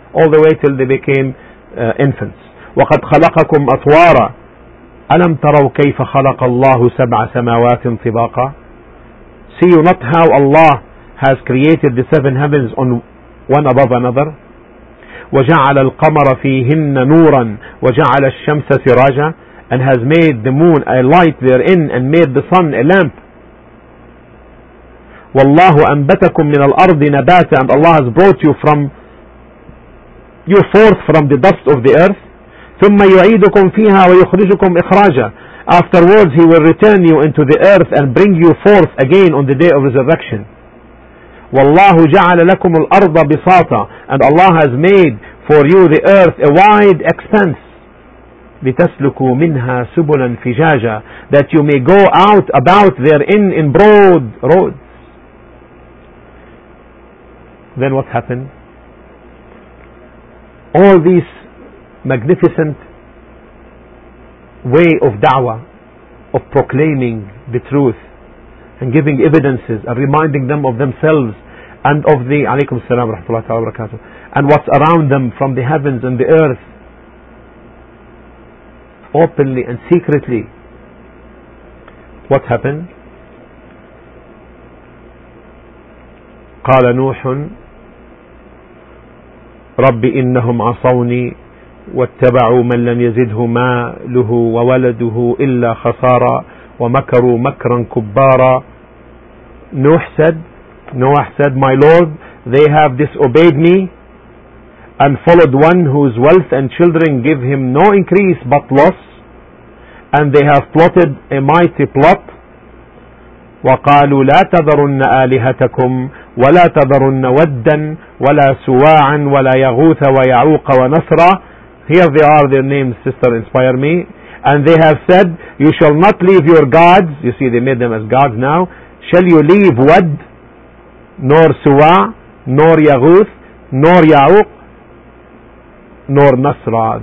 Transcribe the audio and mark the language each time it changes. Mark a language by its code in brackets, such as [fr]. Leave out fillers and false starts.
[en] All the way till they became infants. [ar] وَقَدْ خَلَقَكُمْ أَطْوَارًا. أَلَمْ تَرَوْا كَيْفَ خَلَقَ اللَّهُ سَبْعَ سَمَاوَاتٍ طِبَاقًا. [en] See you not how Allah has created the seven heavens on one above another? [ar] وجعل القمر فيهن نورا وجعل الشمس سراجا. [en] And has made the moon a light therein, and made the sun a lamp. [ar] والله أنبتكم من الأرض نباتا. [en] And Allah has brought you from you forth from the dust of the earth. [ar] ثم يعيدكم فيها ويخرجكم إخراجا. [en] Afterwards He will return you into the earth and bring you forth again on the day of resurrection. [ar] والله جعل لكم الأرض بساطا. [en] And Allah has made for you the earth a wide expanse. [ar] لتسلكوا منها سبلا فجاجا. [en] That you may go out about therein in broad roads. Then what happened? All these magnificent way of da'wah, of proclaiming the truth and giving evidences and reminding them of themselves and of the [ar] alaykum salam rahmatullahi ta'ala barakatuh, [en] and what's around them from the heavens and the earth, openly and secretly. What happened? [ar] قال نوح رب إنهم عصوني واتبعوا من لم يزده ماله وولده إلا خسارا ومكروا مكرا كبارا. [en] Noah said, My Lord, they have disobeyed me and followed one whose wealth and children give him no increase but loss, and they have plotted a mighty plot. [ar] وقالوا لا تذرن آلهتكم ولا تذرن ودا ولا سواعا ولا يغوث ويعوق ونصرا. [en] Here they are, their names, sister, inspire me. And they have said, you shall not leave your gods. You see, they made them as gods now. Shall you leave Wad, nor Suwa, nor Yaguth, nor Ya'uq, nor Nasra.